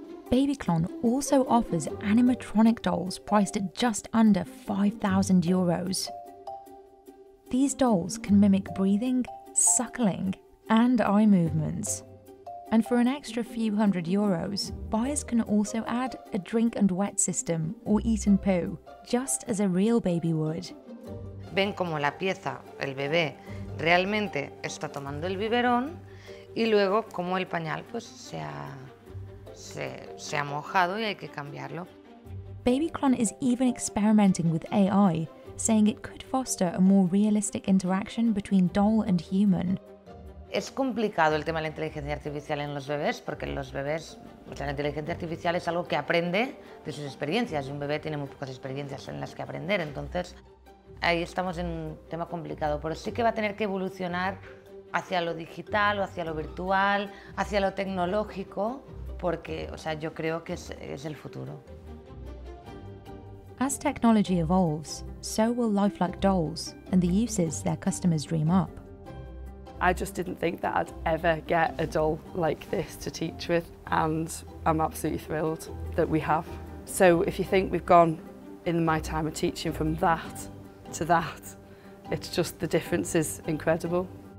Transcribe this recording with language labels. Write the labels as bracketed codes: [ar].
[en] Babyclon also offers animatronic dolls priced at just under 5,000 euros. These dolls can mimic breathing, suckling, and eye movements. And for an extra few hundred euros, buyers can also add a drink and wet system or eat and poo, just as a real baby would. [es] Ven como la pieza, el bebé, realmente está tomando el biberón y luego como el pañal pues se ha mojado y hay que cambiarlo. [en] Babyclon is even experimenting with AI, saying it could foster a more realistic interaction between doll and human. [es] Es complicado el tema de la inteligencia artificial en los bebés porque los bebés, o sea, la inteligencia artificial es algo que aprende de sus experiencias y un bebé tiene muy pocas experiencias en las que aprender, entonces ahí estamos en un tema complicado, pero sí que va a tener que evolucionar hacia lo digital o hacia lo virtual, hacia lo tecnológico, porque, o sea, yo creo que es el futuro. [en] As technology evolves, so will lifelike dolls and the uses their customers dream up. I just didn't think that I'd ever get a doll like this to teach with, and I'm absolutely thrilled that we have. So if you think we've gone in my time of teaching from that to that, it's just the difference is incredible.